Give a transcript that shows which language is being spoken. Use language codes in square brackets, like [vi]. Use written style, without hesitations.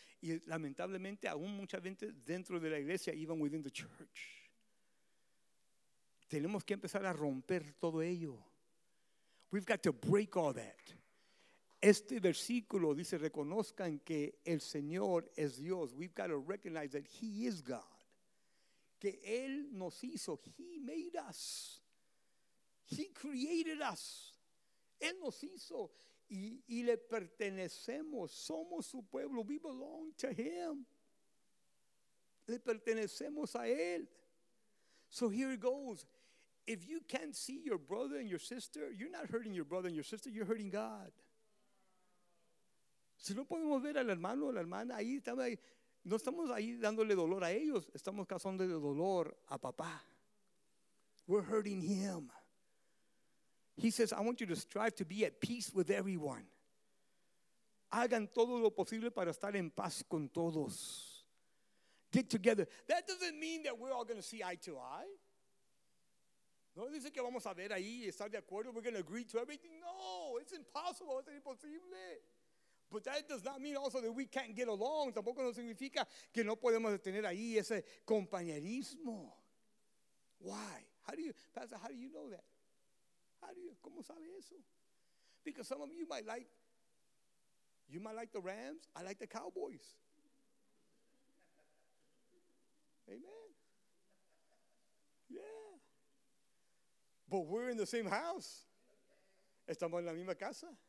[es] Y lamentablemente aún mucha gente dentro de la iglesia, [en] even within the church. [es] Tenemos que empezar a romper todo ello. [en] We've got to break all that. [es] Este versículo dice, reconozcan que el Señor es Dios. [en] We've got to recognize that He is God. [es] Que Él nos hizo. [en] He made us. He created us. [es] Él nos hizo. Y le pertenecemos. Somos su pueblo. [en] We belong to Him. [es] Le pertenecemos a Él. [en] So here it goes. If you can't see your brother and your sister, you're not hurting your brother and your sister, you're hurting God. [es] Si no podemos ver al hermano o la hermana, ahí estamos ahí, no estamos ahí dándole dolor a ellos, estamos causándole dolor a papá. [en] We're hurting him. He says, I want you to strive to be at peace with everyone. [es] Hagan todo lo posible para estar en paz con todos. [en] Get together. That doesn't mean that we're all going to see eye to eye. [es] No dice que vamos a ver ahí y estar de acuerdo. [en] We're going to agree to everything. No, it's impossible. [es] Es imposible. [en] But that does not mean also that we can't get along. [es] Tampoco no significa que no podemos tener ahí ese compañerismo. [en] Why? How do you, Pastor, how do you know that? How do you, [es] ¿cómo sabe eso? [en] Because some of you might like the Rams. I like the Cowboys. Amen. Yeah. But we're in the same house. [es] Estamos en la misma casa.